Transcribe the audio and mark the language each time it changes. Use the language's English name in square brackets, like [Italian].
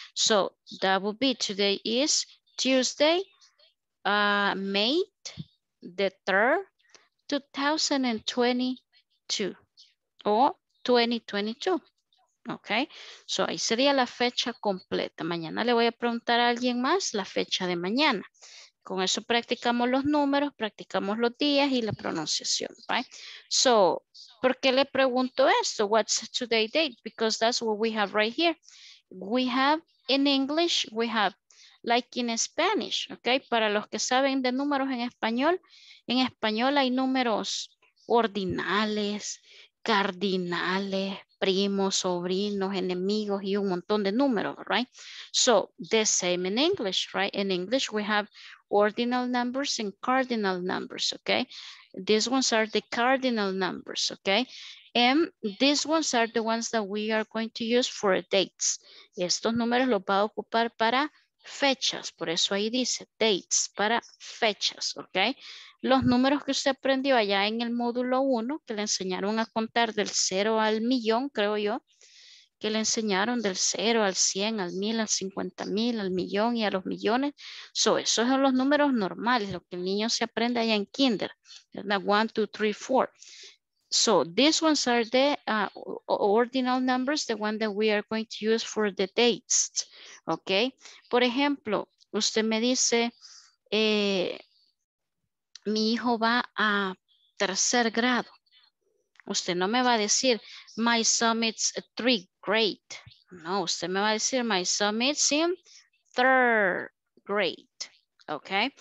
[English] So, that would be today is Tuesday, May the 3rd, 2022 o 2022. [Spanish] Ok, so ahí sería la fecha completa. Mañana le voy a preguntar a alguien más la fecha de mañana. Con eso practicamos los números, practicamos los días y la pronunciación, right? So, ¿por qué le pregunto esto? [English] What's today date? Because that's what we have right here. We have in English, we have like in Spanish, ok? [Spanish] Para los que saben de números en español hay números ordinales, cardinales, primos, sobrinos, enemigos, y un montón de números, right? [English] So, the same in English, right? In English, we have ordinal numbers and cardinal numbers, okay? These ones are the cardinal numbers, okay? And these ones are the ones that we are going to use for dates. [Spanish] Estos números los va a ocupar para fechas, por eso ahí dice dates, para fechas, okay? Los números que usted aprendió allá en el módulo 1, que le enseñaron a contar del 0 al millón, creo yo, que le enseñaron del 0 al 100, al 1000, al 50,000, al millón y a los millones. So, esos son los números normales, lo que el niño se aprende allá en kinder, ¿verdad? 1, 2, 3, 4. [English] So, these ones are the ordinal numbers, the one that we are going to use for the dates. Ok. [Spanish] Por ejemplo, usted me dice, mi hijo va a tercer grado. Usted no me va a decir, [English] my son is a three grade. [Spanish] No, usted me va a decir, [English] my son is in third grade. [Spanish] Ok.